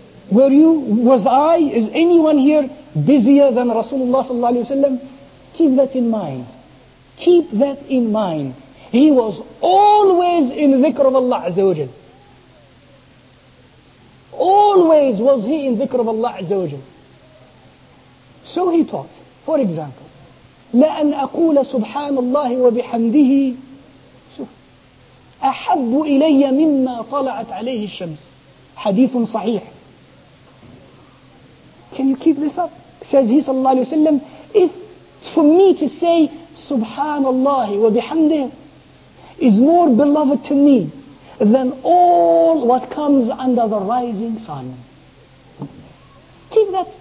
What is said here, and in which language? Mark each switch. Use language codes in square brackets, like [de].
[en] Were you, was I, is anyone here busier than Rasulullah sallallahu alayhi wa sallam? Keep that in mind. Keep that in mind. He was always in dhikr of Allah Azza wa Jal. Always was he in dhikr of Allah Azza wa Jal. So he taught, for example, [ar] لَأَنْ أَقُولَ سُبْحَانَ اللَّهِ وَبِحَمْدِهِ أَحَبُّ إِلَيَّ مِمَّا طَلَعَتْ عَلَيْهِ الشَّمْسِ. حديث صحيح. [en] Can you keep this up? Says he sallallahu alayhi wa sallam, if for me to say [ar] سُبْحَانَ اللَّهِ وَبِحَمْدِهِ [en] is more beloved to me than all what comes under the rising sun. Keep that.